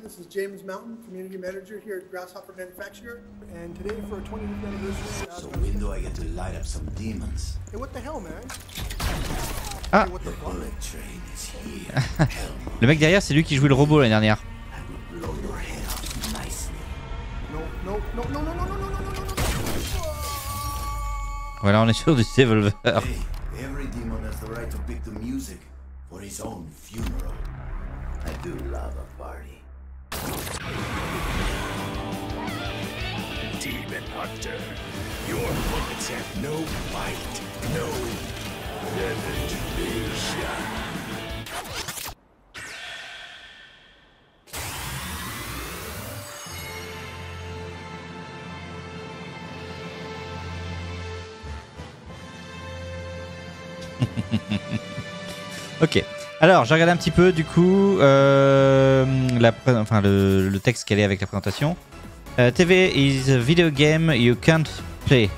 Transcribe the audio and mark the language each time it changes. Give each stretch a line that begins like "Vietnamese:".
English: James Mountain, community manager here at Grasshopper Manufacturer, and today for our 20th anniversary. So when do I get to light up some demons? Hey, what the hell, man? Ah, hey, the bullet train is here.
French: Le mec derrière, c'est lui qui jouait le robot l'année dernière.
English: Blow your head off nicely. No.
French: Voilà, on est sur du Devolver.
English: Hey, every demon has the right to pick the music for his own funeral. I do love a party. Demon Hunter, your bullets have no bite, no penetration. Okay.
French: Alors, j'ai regardé un petit peu, du coup, le texte qui allait avec la présentation.
English: TV is a video game you can't play.